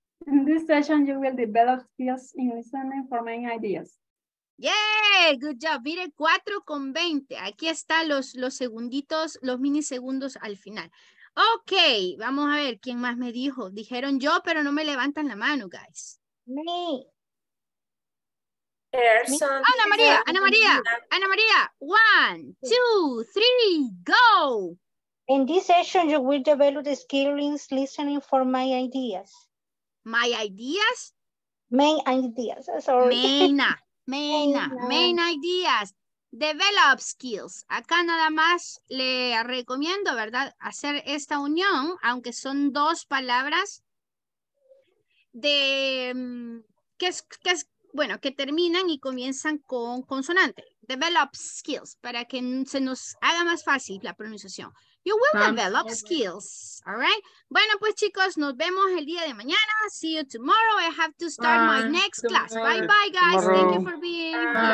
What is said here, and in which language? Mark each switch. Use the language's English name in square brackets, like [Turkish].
[English] In this session, you will develop skills in listening for main ideas. Yay! Good job. [Spanish] Mire, [English] 4:20. [Spanish] Aquí están los segunditos, los minisegundos al final. Ok, vamos a ver quién más me dijo. Dijeron yo, pero no me levantan la mano, guys. [English] Me. Ana María. 1, 2, 3, go. In this session, you will develop the skills listening for my ideas. My ideas? Main ideas, sorry. Main ideas. Develop skills. [Spanish] Acá nada más le recomiendo, ¿verdad? Hacer esta unión, aunque son dos palabras de que terminan y comienzan con consonante. [English] Develop skills, [Spanish] para que se nos haga más fácil la pronunciación. [English] You will develop skills, all right? [Spanish] Bueno, pues chicos, nos vemos el día de mañana. [English] See you tomorrow. I have to start my next class. Bye-bye, guys. Tomorrow. Thank you for being here.